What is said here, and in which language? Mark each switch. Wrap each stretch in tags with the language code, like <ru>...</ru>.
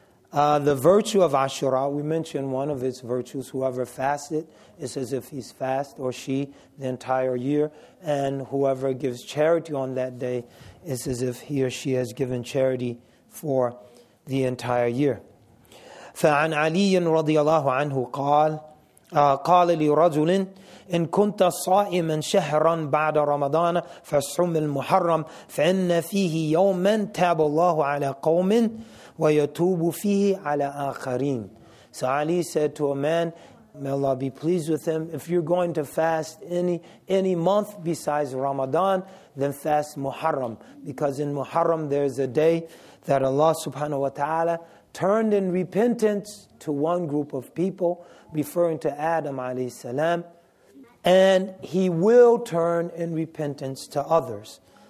<en>The virtue of Ashura, we mentioned one of its virtues, whoever fasted, it's as if he's fast or she the entire year. And whoever gives charity on that day, it's as if he or she has given charity for the entire year.</en> <ar>فعن علي رضي الله عنه قال قال لرجل إن كنت صائما شهرا بعد رمضان فصم المحرم فإن فيه يوما تاب الله على قوم ويتوب فيه على آخرين.</ar> <en>So Ali said to a man, may Allah be pleased with him, if you're going to fast any month besides Ramadan, then fast Muharram. Because in Muharram there is a day that Allah subhanahu wa ta'ala turned in repentance to one group of people, referring to Adam alayhi salam, and he will turn in repentance to others.</en>